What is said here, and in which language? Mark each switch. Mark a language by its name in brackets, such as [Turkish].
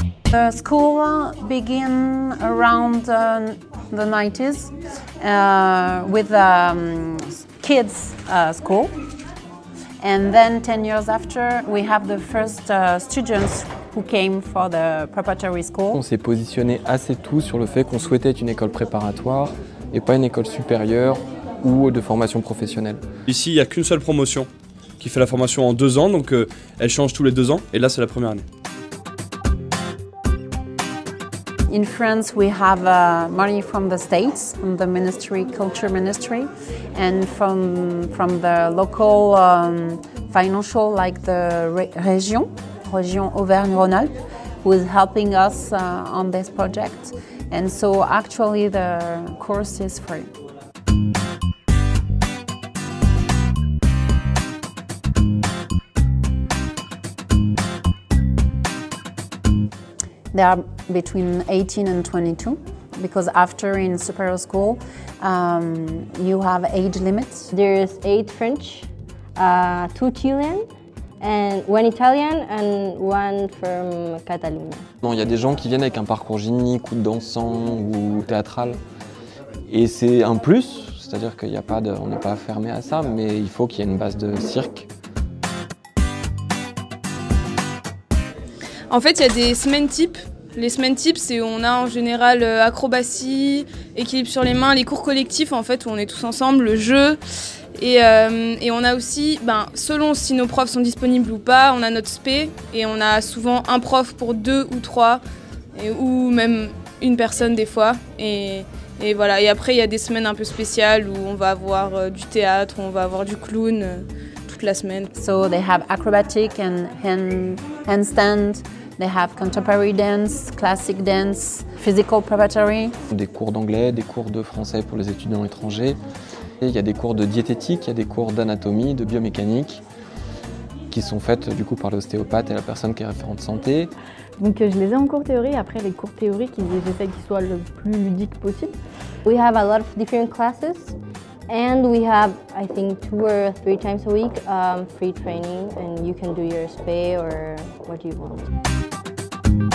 [English] The school began around the 90s with kids school. And then 10 years after, we have the first students who came for the preparatory school. [French] On s'est positionné assez tôt sur le fait qu'on souhaitait une école préparatoire et pas une école supérieure ou de formation professionnelle. Ici, il n'y a qu'une seule promotion qui fait la formation en 2 ans, donc elle change tous les 2 ans, et là, c'est la première année. [English] In France, we have money from the states, from the ministry, culture ministry, and from the local financial, like the région Auvergne-Rhône-Alpes, who is helping us on this project. And so actually the course is free. They are between 18 and 22, because after in superior school, you have age limits. There's 8 French, 2 Chilean, and 1 Italian, and 1 from Catalonia. [French] Non, il y a des gens qui viennent avec un parcours gymnique ou dansant ou théâtral, et c'est un plus. C'est-à-dire qu'il y a pas de, on n'est pas fermé à ça, mais il faut qu'il y ait une base de cirque. En fait, il y a des semaines types. Les semaines types, c'est où on a en général acrobatie, équilibre sur les mains, les cours collectifs, en fait, où on est tous ensemble, le jeu. Et on a aussi, ben, selon si nos profs sont disponibles ou pas, on a notre spé. Et on a souvent un prof pour 2 ou 3, ou même une personne des fois. Et voilà. Et après, il y a des semaines un peu spéciales où on va avoir du théâtre, où on va avoir du clown. La semaine. [English] So they have acrobatic and handstand, they have contemporary dance, classic dance, physical preparatory. [French] Des cours d'anglais, des cours de français pour les étudiants étrangers. Et il y a des cours de diététique, il y a des cours d'anatomie, de biomécanique qui sont faites du coup par l'ostéopathe et la personne qui est référente santé. Donc je les ai en cours théorie, après les cours théoriques, j'essaie qu'ils soient le plus ludiques possible. [English] We have a lot of different classes. And we have, I think, 2 or 3 times a week free training, and you can do your spé or what you want.